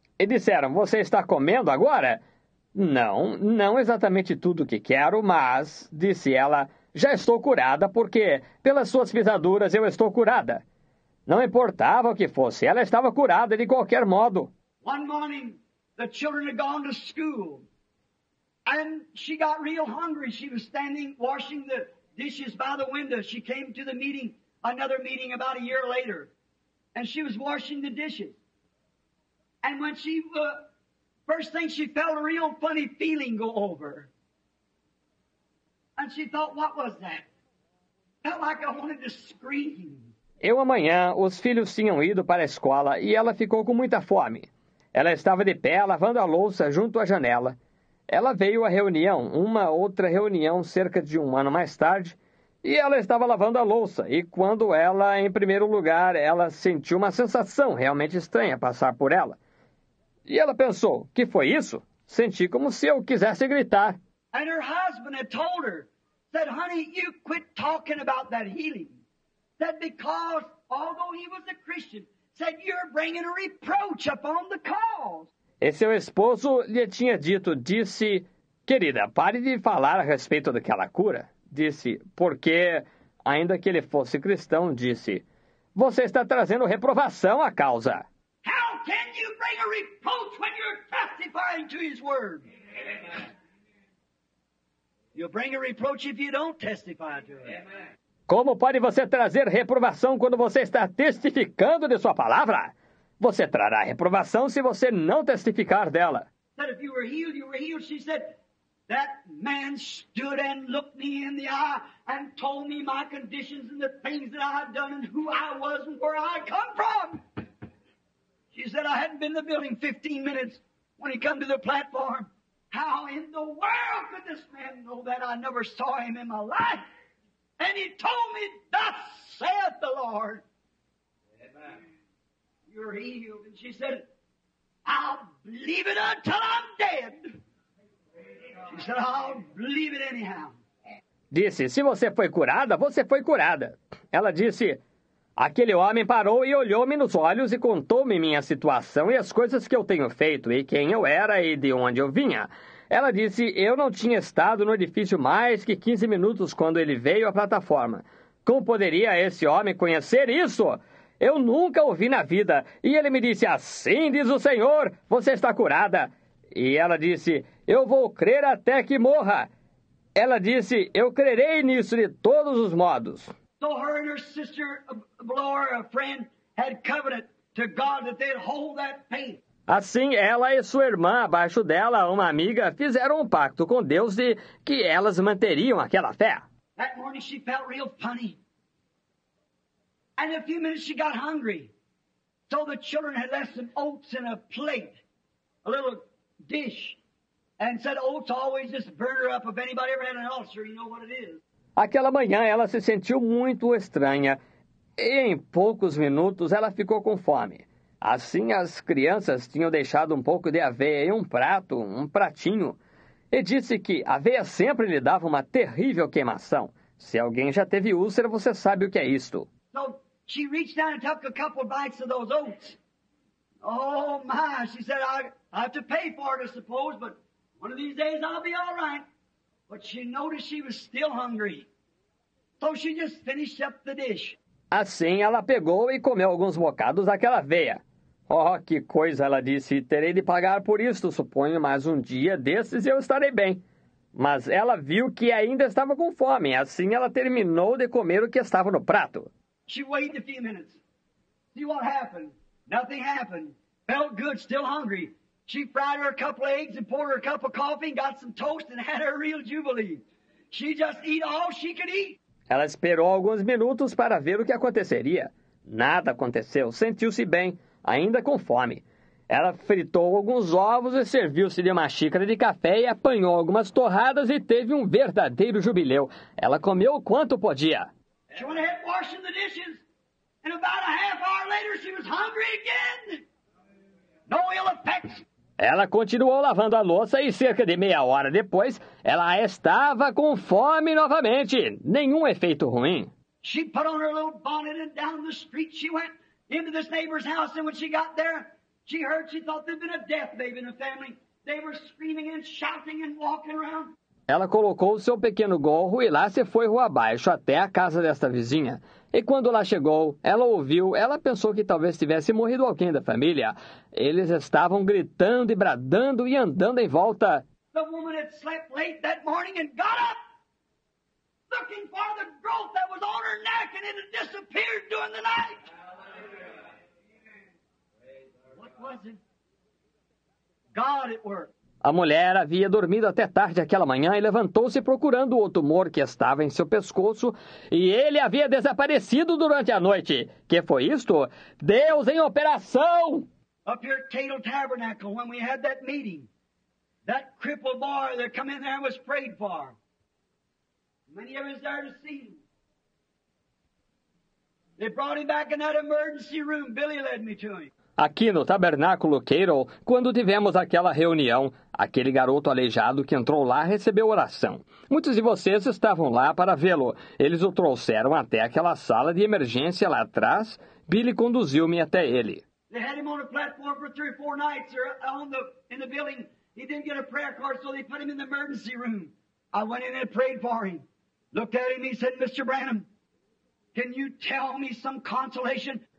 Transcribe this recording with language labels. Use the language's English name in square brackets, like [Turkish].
[Portuguese] E disseram, você está comendo agora? Não, não exatamente tudo o que quero, mas, disse ela, já estou curada porque, pelas suas pisaduras, eu estou curada. Não importava o que fosse, ela estava curada de qualquer modo. [English] One morning, the children had gone to school, and she got real hungry. She was standing washing the dishes by the window. She came to the meeting, another meeting about a year later, and she was washing the dishes. And when she first thing, she felt a real funny feeling go over. And she thought, what was that? Felt like I wanted to scream. [Portuguese] Eu amanhã, os filhos tinham ido para a escola e ela ficou com muita fome. Ela estava de pé, lavando a louça junto à janela. Ela veio à reunião, uma outra reunião, cerca de um ano mais tarde, e ela estava lavando a louça. E quando ela, em primeiro lugar, ela sentiu uma sensação realmente estranha passar por ela. E ela pensou, que foi isso? Senti como se eu quisesse gritar. [English] And her husband had told her, said, honey, you quit talking about that healing. Said, because, although he was a Christian, said, you're bringing a reproach upon the cause. [Portuguese] E seu esposo lhe tinha dito, disse, querida, pare de falar a respeito daquela cura. Disse, porque, ainda que ele fosse cristão, disse: "Você está trazendo reprovação à causa." [English] How can you bring a reproach when you're testifying to his word? You bring a reproach if you don't testify to it. [Portuguese] Como pode você trazer reprovação quando você está testificando de sua palavra? Você trará reprovação se você não testificar dela. [English] That if you were healed, you were healed. She said, that man stood and looked me in the eye and told me my conditions and the things that I had done and who I was and where I come from. She said, I hadn't been in the building 15 minutes when he came to the platform. How in the world could this man know that? I never saw him in my life. And he told me, thus saith the Lord. Amen. You're healed. And she said, I'll believe it until I'm dead. She said, I'll believe it anyhow. [Portuguese] Disse, se você foi curada, você foi curada. Ela disse, aquele homem parou e olhou-me nos olhos e contou-me minha situação e as coisas que eu tenho feito e quem eu era e de onde eu vinha. Ela disse, eu não tinha estado no edifício mais que 15 minutos quando ele veio à plataforma. Como poderia esse homem conhecer isso? Eu nunca o vi na vida. E ele me disse, assim diz o Senhor, você está curada. E ela disse, eu vou crer até que morra. Ela disse, eu crerei nisso de todos os modos. [English] So her and her sister, Laura, a friend, had covenant to God that they'd hold that pain. [Portuguese] Assim, ela e sua irmã, abaixo dela, uma amiga, fizeram um pacto com Deus de que elas manteriam aquela fé. [English] That morning she felt real funny. And in a few minutes she got hungry. So the children had left some oats in a plate, a little dish, and said oats always just burn her up. If anybody ever had an ulcer, you know what it is. [Portuguese] Aquela manhã ela se sentiu muito estranha e em poucos minutos ela ficou com fome. Assim as crianças tinham deixado um pouco de aveia em um pratinho, e disse que aveia sempre lhe dava uma terrível queimação. Se alguém já teve úlcera, você sabe o que é isto. [English] So she reached down and took a couple bites of those oats. Oh my, she said, I have to pay for it, I suppose, but one of these days I'll be all right. But she noticed she was still hungry. So she just finished up the dish. [Portuguese] Assim, ela pegou e comeu alguns bocados daquela aveia. Oh, que coisa, ela disse, terei de pagar por isto, suponho, mas um dia desses eu estarei bem. Mas ela viu que ainda estava com fome, assim ela terminou de comer o que estava no prato. [English] She waited a few minutes. See what happened. Nothing happened. Felt good, still hungry. She fried her a couple of eggs and poured her a cup of coffee and got some toast and had her real jubilee. She just eat all she could eat. [Portuguese] Ela esperou alguns minutos para ver o que aconteceria. Nada aconteceu. Sentiu-se bem, ainda com fome. Ela fritou alguns ovos e serviu-se de uma xícara de café e apanhou algumas torradas e teve um verdadeiro jubileu. Ela comeu o quanto podia. [English] She went ahead washing the dishes. And about a half hour later she was hungry again. No ill effects. [Portuguese] Ela continuou lavando a louça e cerca de meia hora depois, ela estava com fome novamente. Nenhum efeito ruim. [English] She put on her little bonnet and down the street she went into this neighbor's house. And when she got there, she heard, she thought there'd been a death baby in the family. They were screaming and shouting and walking around. [Portuguese] Ela colocou o seu pequeno gorro e lá se foi rua abaixo até a casa desta vizinha. E quando lá chegou, ela ouviu, ela pensou que talvez tivesse morrido alguém da família. Eles estavam gritando e bradando e andando em volta. [English] The woman had slept late that morning and got up, looking for the growth that was on her neck and it had disappeared during the night. What was it? God at work. [Portuguese] A mulher havia dormido até tarde aquela manhã e levantou-se procurando o tumor que estava em seu pescoço e ele havia desaparecido durante a noite. Que foi isto? Deus em operação! [English] Up here at Cato Tabernacle, when we had that meeting, that crippled boy that come in there and was prayed for. Many of us there to see him. They brought him back in that emergency room. Billy led me to him. [Portuguese] Aqui no Tabernáculo Cato, quando tivemos aquela reunião, aquele garoto aleijado que entrou lá recebeu oração. Muitos de vocês estavam lá para vê-lo. Eles o trouxeram até aquela sala de emergência lá atrás. Billy conduziu-me até ele. [English] They had him on a platform for three or four nights in the building. He didn't get a prayer card, so they put him in the emergency room. I went in and prayed for him. Looked at him, he said, Mr. Branham, Can you tell me some consolation?